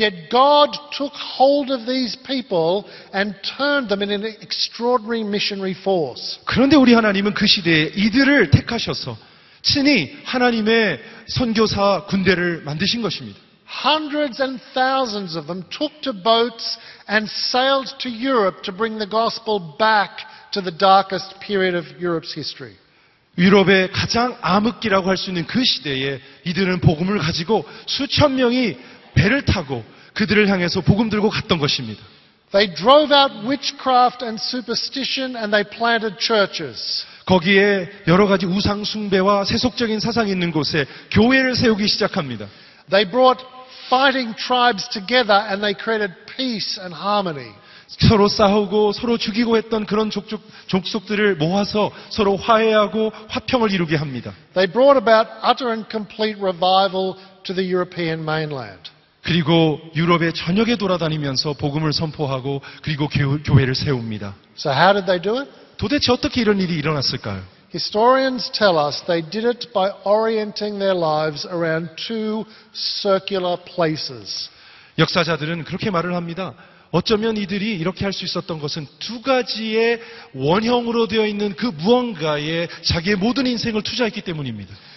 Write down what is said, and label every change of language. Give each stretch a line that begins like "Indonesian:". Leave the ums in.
English: yet God took hold of these people and turned them into an extraordinary missionary force.
Korean: 그런데 우리 하나님은 그 시대에 이들을 택하셔서 친히 하나님의 선교사 군대를 만드신 것입니다.
English: Hundreds and thousands of them took to boats and sailed to Europe to bring the gospel back to the darkest period of Europe's history.
Korean: 유럽의 가장 암흑기라고 할 수 있는 그 시대에 이들은 복음을 가지고 수천 명이 배를 타고 그들을 향해서 복음 들고 갔던 것입니다.
English: They drove out witchcraft and superstition and they planted churches.
Korean: 거기에 여러 가지 우상 숭배와 세속적인 사상이 있는 곳에 교회를 세우기 시작합니다.
English: They brought fighting tribes together and they created peace and harmony.
Korean: 서로 싸우고 서로 죽이고 했던 그런 족족, 족속들을 모아서 서로 화해하고 화평을 이루게 합니다.
English: They brought about utter and complete revival to the European mainland.
Korean: 그리고 유럽의 전역에 돌아다니면서 복음을 선포하고 그리고 교, 교회를 세웁니다.
English: So how did they do it?
Korean: 도대체 어떻게 이런 일이 일어났을까요?
English: Historians tell us they did it by orienting their lives around two circular places.
Korean: 역사자들은 그렇게 말을 합니다. 어쩌면 이들이 이렇게 할 수 있었던 것은 두 가지의 원형으로 되어 있는 그 무언가에 자기의 모든 인생을 투자했기 때문입니다.